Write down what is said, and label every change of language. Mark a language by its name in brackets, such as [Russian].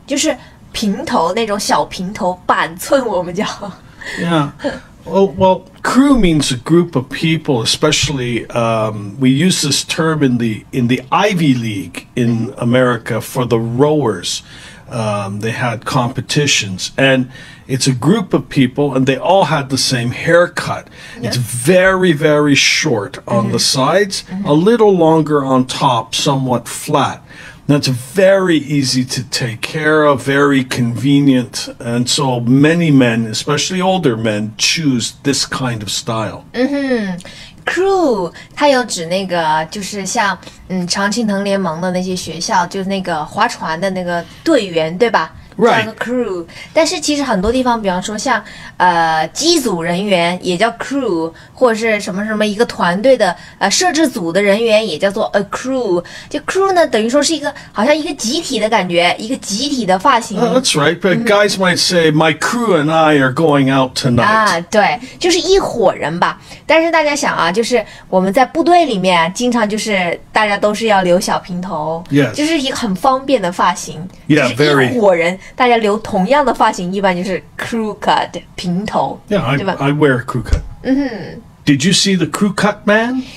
[Chinese] 就是平头那种小平头板寸我们叫。 [English] Yeah. Well, crew means a group of people, especially, we use this term in the Ivy League in America for the rowers. They had competitions, and it's a group of people, and they all had the same haircut. Yes. It's very, very short on the sides, a little longer on top, somewhat flat. That's very easy to take care of, very convenient, and so many men, especially older men, choose this kind of style. [Chinese] Crew, 它有指那个就是像常青藤联盟的那些学校，就是那个划船的那个队员，对吧？ [English] Right. [Chinese] 叫个 crew, 但是其实很多地方，比方说像机组人员也叫 crew, 或者是什么什么一个团队的摄制组的人员也叫做 a crew. 就 crew 呢，等于说是一个好像一个集体的感觉，一个集体的发型。 [English] That's right, but guys might say my crew and I are going out tonight. [Chinese] 啊，对，就是一伙人吧。但是大家想啊，就是我们在部队里面，经常就是大家都是要留小平头， [English] yes. [Chinese] 就是一个很方便的发型。 [English] Yeah, very. [Chinese] 一伙人。大家留同样的发型，一般就是 crew cut 平头。 [English] Yeah, I wear a crew cut. Did you see the crew cut man?